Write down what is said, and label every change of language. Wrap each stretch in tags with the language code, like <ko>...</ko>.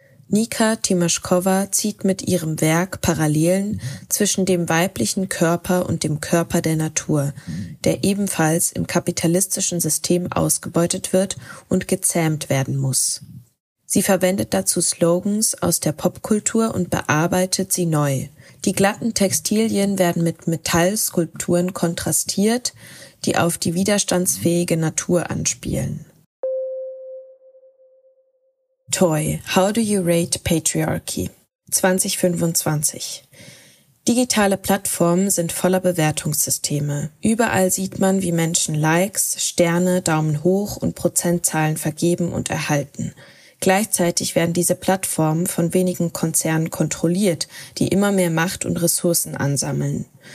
<de>Nika Timoschkova zieht mit ihrem Werk Parallelen zwischen dem weiblichen Körper und dem Körper der Natur, der ebenfalls im kapitalistischen System ausgebeutet wird und gezähmt werden muss. Sie verwendet dazu Slogans aus der Popkultur und bearbeitet sie neu. Die glatten Textilien werden mit Metallskulpturen kontrastiert, die auf die widerstandsfähige Natur anspielen.</de> <en>Toy, how do you rate Patriarchy? 2025.</en> <de>Digitale Plattformen sind voller Bewertungssysteme. Überall sieht man, wie Menschen Likes, Sterne, Daumen hoch und Prozentzahlen vergeben und erhalten. Gleichzeitig werden diese Plattformen von wenigen Konzernen kontrolliert, die immer mehr Macht und Ressourcen ansammeln.</de>